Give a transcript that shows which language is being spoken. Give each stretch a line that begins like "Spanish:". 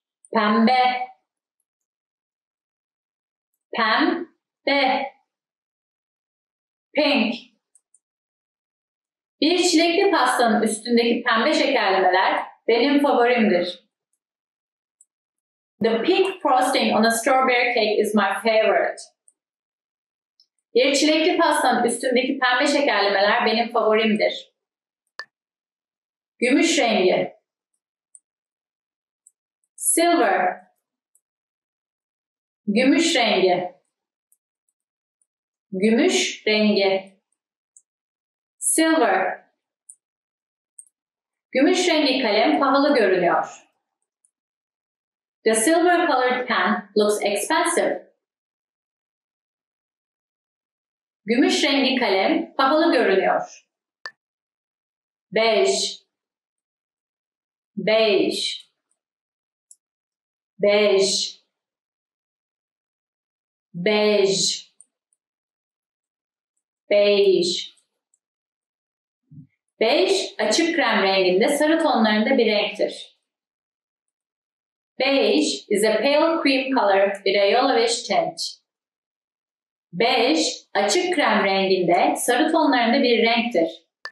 Turkish: Pembe. Pembe.
English: Pink.
Turkish: Bir çilekli pastanın üstündeki pembe şekerlemeler benim favorimdir.
English: The pink frosting on a strawberry cake is my favorite.
Turkish: Bir çilekli pastanın üstündeki pembe şekerlemeler benim favorimdir. Gümüş rengi.
English: Silver.
Turkish: Gümüş rengi. Gümüş rengi.
English: Silver.
Turkish: Gümüş rengi kalem pahalı görünüyor.
English: The silver colored pen looks expensive.
Turkish: Gümüş rengi kalem pahalı görünüyor.
English: Beige. Beige. Beige. Beige. Beige.
Turkish: Beige açık krem renginde sarı tonlarında bir renktir.
English: Beige is a pale cream color with a yellowish tint.
Turkish: Beş, açık krem renginde, sarı tonlarında bir renktir.